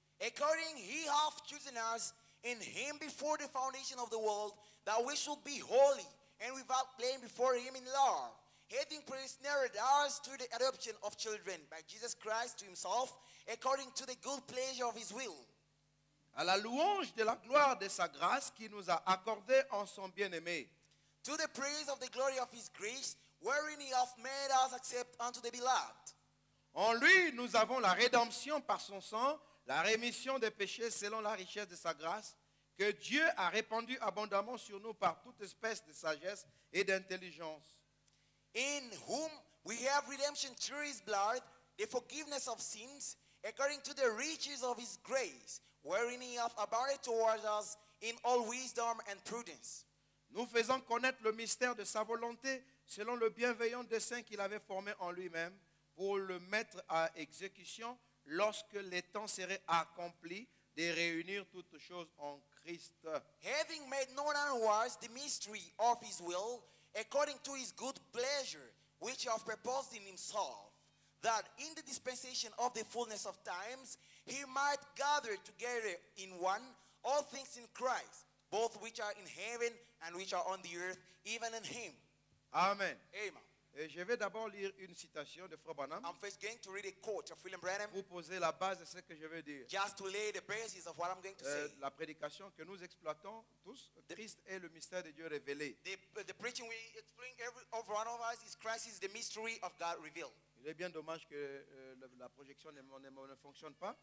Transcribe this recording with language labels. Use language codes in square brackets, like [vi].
[en] According he hath chosen us in him before the foundation of the world, that we should be holy and without blame before him in love, having predestinated us to the adoption of children by Jesus Christ to himself, according to the good pleasure of his will. [fr] À la louange de la gloire de sa grâce qui nous a accordé en son bien-aimé. [en] To the praise of the glory of his grace, wherein he hath made us accept unto the beloved. [fr] En lui, nous avons la rédemption par son sang, la rémission des péchés selon la richesse de sa grâce, que Dieu a répandue abondamment sur nous par toute espèce de sagesse et d'intelligence. [en] In whom we have redemption through his blood, the forgiveness of sins, according to the riches of his grace, wherein he hath abounded towards us in all wisdom and prudence. [fr] Nous faisons connaître le mystère de sa volonté selon le bienveillant dessein qu'il avait formé en lui-même pour le mettre à exécution lorsque les temps seraient accomplis de réunir toutes choses en Christ. [en] Having made known unto us the mystery of his will, according to his good pleasure, which he hath proposed in himself, that in the dispensation of the fullness of times, he might gather together in one all things in Christ, both which are in heaven and which are on the earth, even in him. [fr] Amen. [en] Amen. [fr] Et je vais d'abord lire une citation de Frère Branham. [en] I'm first going to read a quote of William Branham. [fr] Pour poser la base de ce que je veux dire. [en] Just to lay the basis of what I'm going to say. [fr] La prédication que nous exploitons tous, Christ est le mystère de Dieu révélé. [en] The preaching we explain every of one of us is Christ is the mystery of God revealed. [fr] Il est bien dommage que la projection ne fonctionne pas.